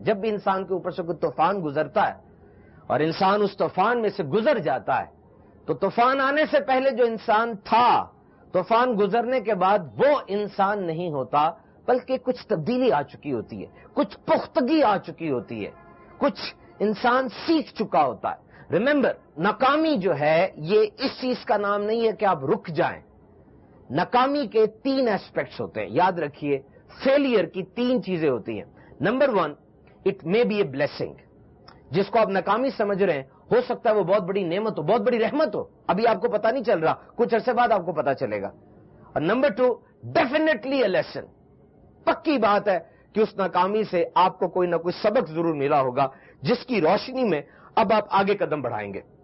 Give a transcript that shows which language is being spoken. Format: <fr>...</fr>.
<ur>جب بھی انسان کے اوپر سے کوئی طوفان گزرتا ہے اور انسان اس طوفان میں سے گزر جاتا ہے تو طوفان آنے سے پہلے جو انسان تھا طوفان گزرنے کے بعد وہ انسان نہیں ہوتا بلکہ کچھ تبدیلی آ چکی ہوتی ہے, کچھ پختگی آ چکی ہوتی ہے, کچھ انسان سیکھ چکا ہوتا ہے. ریمبر, ناکامی جو ہے یہ اس چیز کا نام نہیں ہے کہ آپ رک جائیں. ناکامی کے تین ایسپیکٹس ہوتے ہیں, یاد رکھیے. فیلئر کی تین چیزیں ہوتی ہیں.</ur> <en>Number one, it may be a blessing.</en> <ur>جس کو آپ ناکامی سمجھ رہے ہیں ہو سکتا ہے وہ بہت بڑی نعمت ہو, بہت بڑی رحمت ہو, ابھی آپ کو پتا نہیں چل رہا, کچھ عرصے بعد آپ کو پتا چلے گا. اور</ur> <en>Number two, definitely a lesson.</en> <ur>پکی بات ہے کہ اس ناکامی سے آپ کو کوئی نہ کوئی سبق ضرور ملا ہوگا جس کی روشنی میں اب آپ آگے قدم بڑھائیں گے.</ur>